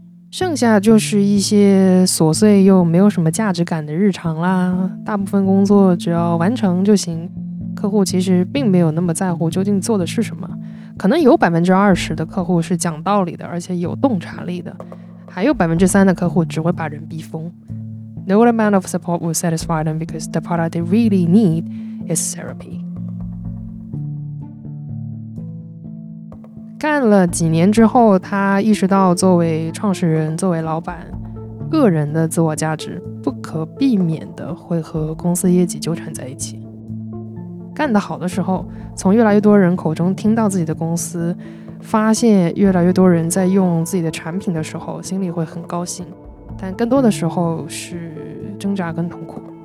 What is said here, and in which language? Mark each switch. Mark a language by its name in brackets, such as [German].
[Chinese] 剩下就是一些琐碎又没有什么价值感的日常啦，大部分工作只要完成就行，客户其实并没有那么在乎究竟做的是什么，可能有20%的客户是讲道理的而且有洞察力的，还有3%的客户只会把人逼疯。 [English] No amount of support will satisfy them because the product they really need is therapy。 [Chinese] 干了几年之后，他意识到作为创始人，作为老板，个人的自我价值不可避免的会和公司业绩纠缠在一起。干得好的时候，从越来越多人口中听到自己的公司，发现越来越多人在用自己的产品的时候，心里会很高兴，但更多的时候是挣扎跟痛苦。